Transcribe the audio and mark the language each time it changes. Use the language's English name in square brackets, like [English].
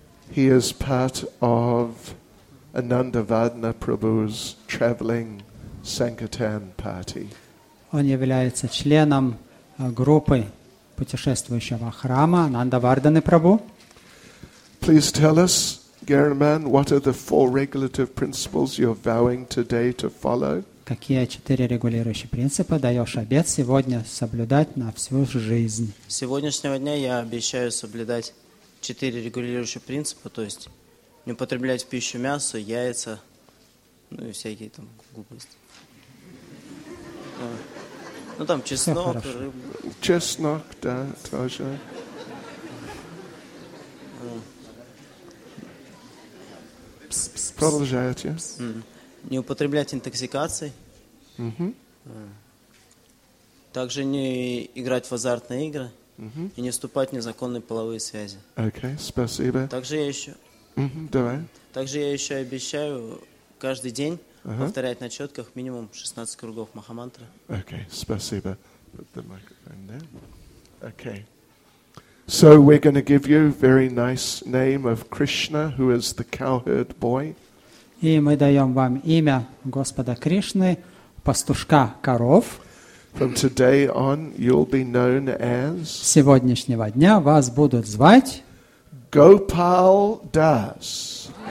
[English] He is part of Ananda Vadna Prabhu's traveling Sankirtan party. [Russian] Он является членом группы путешествующего храма Ананда Варданы Прабху. [English] Please tell us, German, what are the four regulative principles you're vowing today to follow? [Russian] Какие четыре регулирующие принципа даешь обет сегодня соблюдать на всю жизнь? С сегодняшнего дня я обещаю соблюдать четыре регулирующие принципа, то есть не употреблять в пищу мясо, яйца, ну и всякие там глупости. Ну там чеснок, рыба. Чеснок, да, тоже. Продолжает, yes. Не употреблять интоксикации. Mm-hmm. Также не играть в азартные игры. Mm-hmm. И не вступать в незаконные половые связи. Okay, спасибо. Также я еще... Mm-hmm. Давай. Также я еще обещаю каждый день повторять на четках минимум 16 кругов Махамантры. [English] Okay, спасибо. Put the microphone there. Okay. So we're going to give you a very nice name of Krishna, who is the cowherd boy. [Russian] И мы даем вам имя Господа Кришны, пастушка коров. [English] From today on, you'll be known as. [Russian] С сегодняшнего дня вас будут звать. [English] Gopal Das.